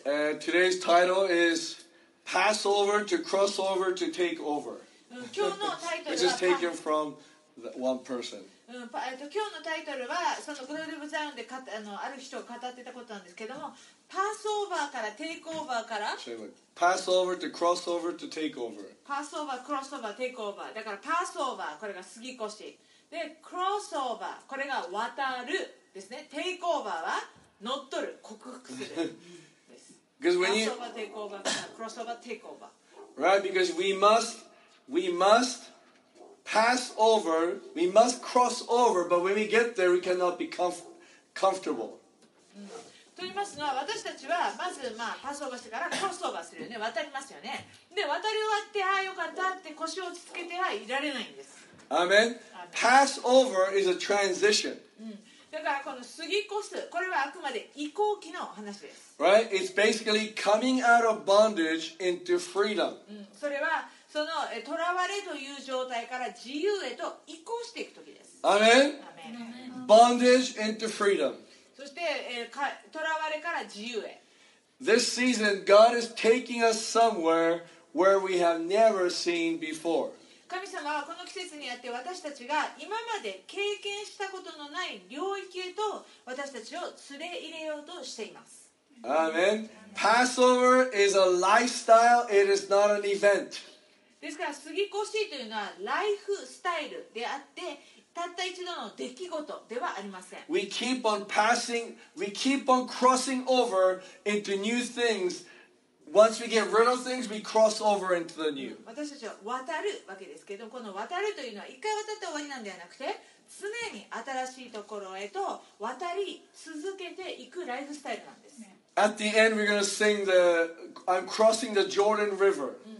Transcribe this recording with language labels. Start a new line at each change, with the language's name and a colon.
English: And today's title is Passover to Crossover to Take Over.
Japanese: 今日のタイトルは
English: Which is taken from the one person.
Japanese: 今日のタイトルはそのグローリーブザイオンである人を語ってたことなんですけども、パスオーバーからテイクオーバーから、パスオーバーとクロスオーバーとテイクオーバー、パスオーバー、クロスオーバー、テイクオーバー、だからパスオーバー、これが過ぎ越しで、クロスオーバー、これが渡るですね、テイクオーバーは乗っ取る、克服するです。パスオーバー、テイクオーバーからクロスオーバー、テイクオーバー、
English: Right, because we must pass over, we must cross over, but when we get there, we cannot be comfortable.
Japanese: と言いますのは、私たちはまず、まあ、パスオーバーしてからクロスオーバーするよね、渡りますよね。で、渡り終わって、ああよかったって腰を落ち着けてはいられないんです。
English: Amen. Pass over is a transition.
Japanese: だからこの過ぎ越す、これはあくまで移行期の話です。
English: Right? It's basically coming out of bondage into freedom.
Japanese: それはそのとらわれという状態から自由へと移行していくときです。
English: アメン。Bondage into freedom.
Japanese: そしてとらわれから自由へ。
English: This season, God is taking us somewhere where we have never seen before.
Japanese: 神様はこの季節にあって私たちが今まで経験したことのない領域へと私たちを連れ入れようとしています。アメン。
English: Passover is a lifestyle, it is not an event
Japanese: ですから、過ぎ越しというのはライフスタイルであって、たった一度の出来事ではありません。
English: We keep on passing, we keep on crossing over into new things. Once we get rid of things, we cross over into the new.
Japanese: 私たちは渡るわけですけど、この渡るというのは、一回渡って終わりなんではなくて、常に新しいところへと渡り続けていくライフスタイルなんです。
English: At the end, we're going to sing the, I'm crossing the Jordan River.